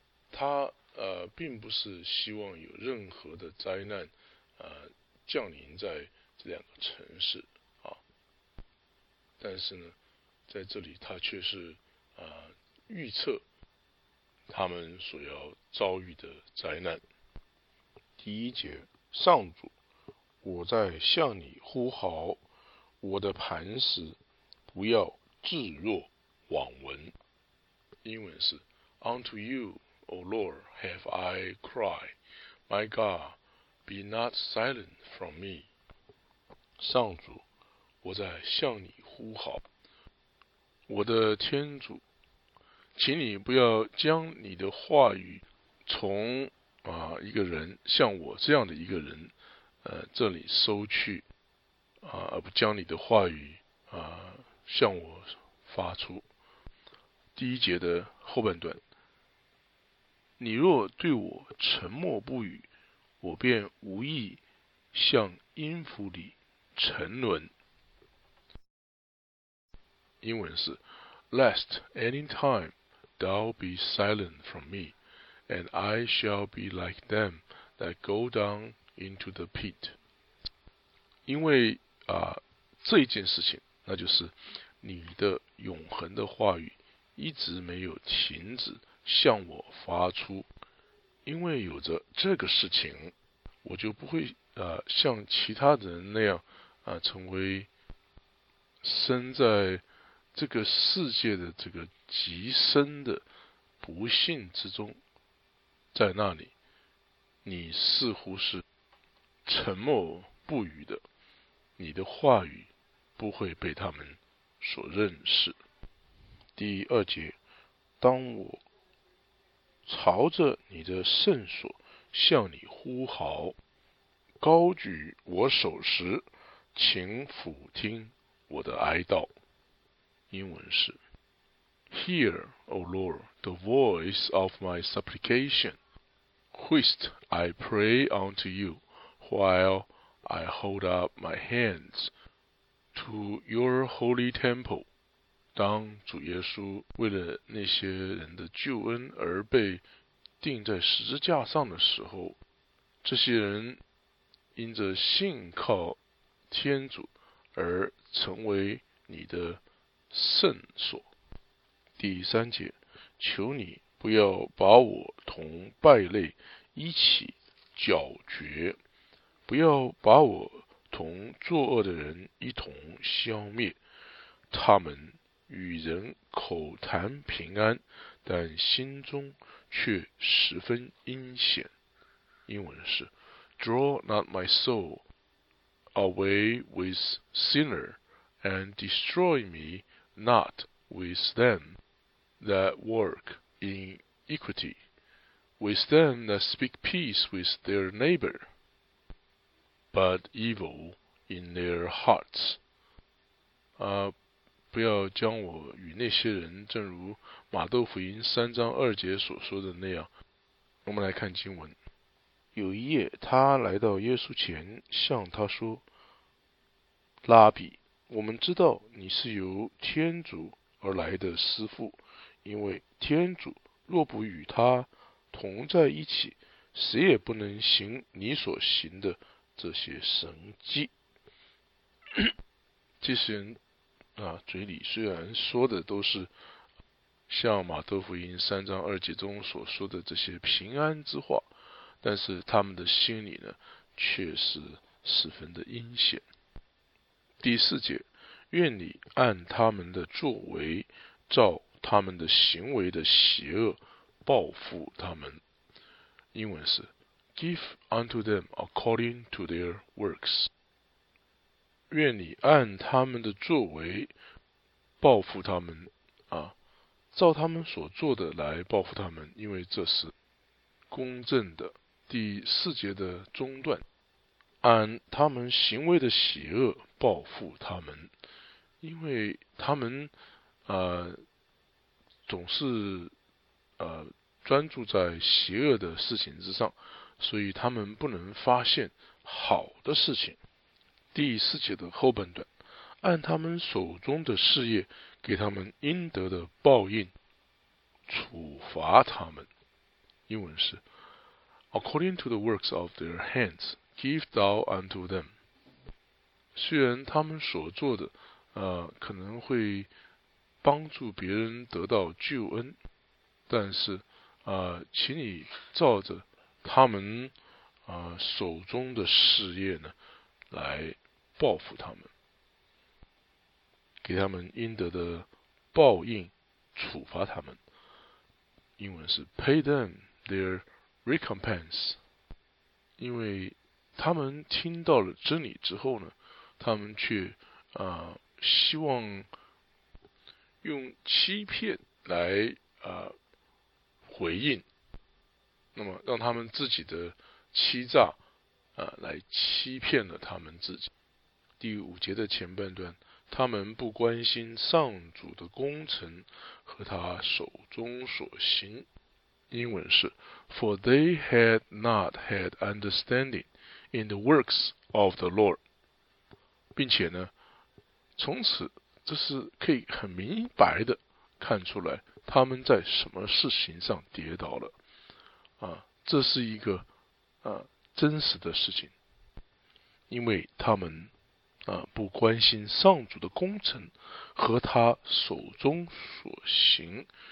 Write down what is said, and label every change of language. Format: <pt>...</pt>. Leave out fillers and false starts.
<zh>他并不是希望有任何的灾难降临在这两个城市但是呢，在这里他却是预测他们所要遭遇的灾难。第一节，上主，我在向你呼号，我的磐石，不要置若罔闻。英文是</zh> <en>Unto you, O Lord, have I cried, My God, be not silent from me.</en> <zh>上主，我在向你呼号，我的天主，请你不要将你的话语从一个人，像我这样的一个人这里收去而不将你的话语向我发出。第一节的后半段，你若对我沉默不语，我便无意向音符里沉沦。英文是</zh> <en>Lest any time thou be silent from me, and I shall be like them that go down into the pit.</en> <zh>因为啊，这件事情，那就是你的永恒的话语一直没有停止向我发出，因为有着这个事情，我就不会像其他的人那样成为生在这个世界的这个极深的不幸之中。在那里你似乎是沉默不语的，你的话语不会被他们所认识。第二节，当我朝着你的圣所向你呼号，高举我手时，请俯听我的哀悼。英文是</zh> <en>Hear, O Lord, the voice of my supplication, whilst I pray unto you, while I hold up my hands to your holy temple.</en> <zh>当主耶稣为了那些人的救恩而被钉在十字架上的时候，这些人因着信靠天主而成为你的圣所。第三节，求你不要把我同败类一起搅绝，不要把我同作恶的人一同消灭。他们与人口谈平安，但心中却十分阴险。英文是</zh> <en>Draw not my soul away with sinner, and destroy me not with them that work iniquity, with them that speak peace with their neighbor, but evil in their hearts.</en> <zh>不要将我与那些人，正如马窦福音三章二节所说的那样。我们来看经文。有一夜，他来到耶稣前，向他说：“拉比，我们知道你是由天主而来的师父，因为天主若不与他同在一起，谁也不能行你所行的这些神迹。” 这些人嘴里虽然说的都是像马窦福音三章二节中所说的这些平安之话，但是他们的心里呢，却是十分的阴险。第四节，愿你按他们的作为，照他们的行为的邪恶报复他们。英文是</zh> <en>Give unto them according to their works。</en> <zh>愿你按他们的作为报复他们照他们所做的来报复他们，因为这是公正的。第四节的中段，按他们行为的邪恶报复他们，因为他们总是专注在邪恶的事情之上，所以他们不能发现好的事情。第四节的后半段，按他们手中的事业给他们应得的报应处罚他们。英文是</zh> <en>According to the works of their hands, give thou unto them.</en> <zh>虽然他们所做的可能会帮助别人得到救恩，但是请你照着他们手中的事业呢来报复他们，给他们应得的报应处罚他们。英文是</zh> <en>Pay them their recompense。</en> <zh>因为他们听到了真理之后呢，他们却希望用欺骗来回应，那么让他们自己的欺诈来欺骗了他们自己。第五节的前半段，他们不关心上主的功臣和他手中所行。英文是</zh> <en>For they had not had understanding in the works of the Lord.</en> <zh>并且呢，从此这是可以很明白的看出来他们在什么事情上跌倒了。这是一个真实的事情。因为他们不关心上主的工程和他手中所行。</zh>